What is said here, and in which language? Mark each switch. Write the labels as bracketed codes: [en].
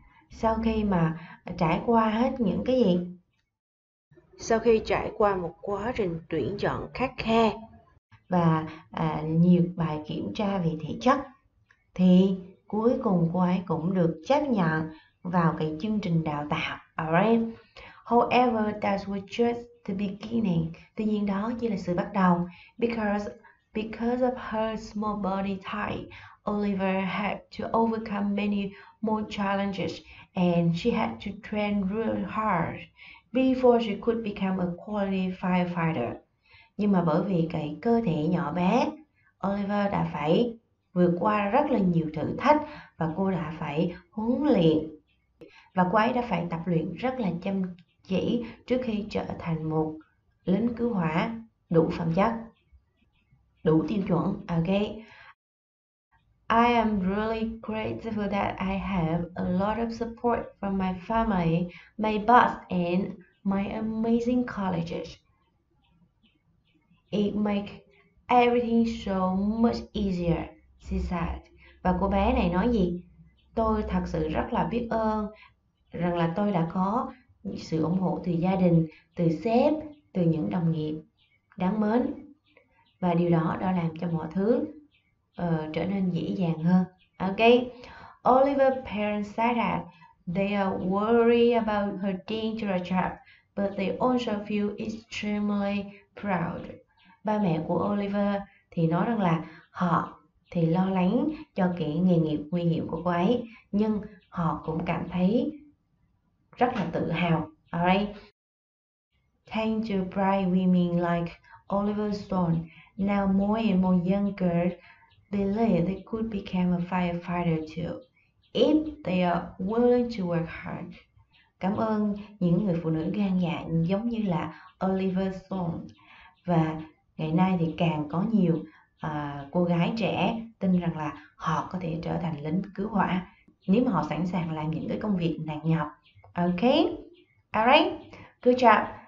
[vi] Sau khi mà trải qua hết những cái gì? Sau khi trải qua một quá trình tuyển chọn khắt khe và nhiều bài kiểm tra về thể chất, thì cuối cùng cô ấy cũng được chấp nhận vào cái chương trình đào tạo. [en] Alright. However, that was just the beginning. [vi] Tuy nhiên đó chỉ là sự bắt đầu. [en] Because of her small body type, Oliver had to overcome many more challenges and she had to train really hard before she could become a quality firefighter. [vi] Nhưng mà bởi vì cái cơ thể nhỏ bé, Oliver đã phải vượt qua rất là nhiều thử thách và cô đã phải huấn luyện và cô ấy đã phải tập luyện rất là chăm chỉ trước khi trở thành một lính cứu hỏa đủ phẩm chất, đủ tiêu chuẩn. Okay. [en] I am really grateful that I have a lot of support from my family, my boss, and my amazing colleagues. It makes everything so much easier, she said. [vi] Và cô bé này nói gì? Tôi thật sự rất là biết ơn rằng là tôi đã có sự ủng hộ từ gia đình, từ sếp, từ những đồng nghiệp đáng mến. Và điều đó đã làm cho mọi thứ trở nên dễ dàng hơn. [en] Okay. Oliver's parents said that they are worried about her dangerous job, but they also feel extremely proud. [vi] Ba mẹ của Oliver thì nói rằng là họ thì lo lắng cho cái nghề nghiệp nguy hiểm của cô ấy, nhưng họ cũng cảm thấy rất là tự hào. Alright. [en] Thanks to bright women like Oliver Stone, now more and more young girls believe they could become a firefighter too, if they are willing to work hard. [vi] Cảm ơn những người phụ nữ gan dạ giống như là Oliver Stone. Và ngày nay thì càng có nhiều cô gái trẻ tin rằng là họ có thể trở thành lính cứu hỏa nếu mà họ sẵn sàng làm những cái công việc nặng nhọc. [en] Ok, alright, good job.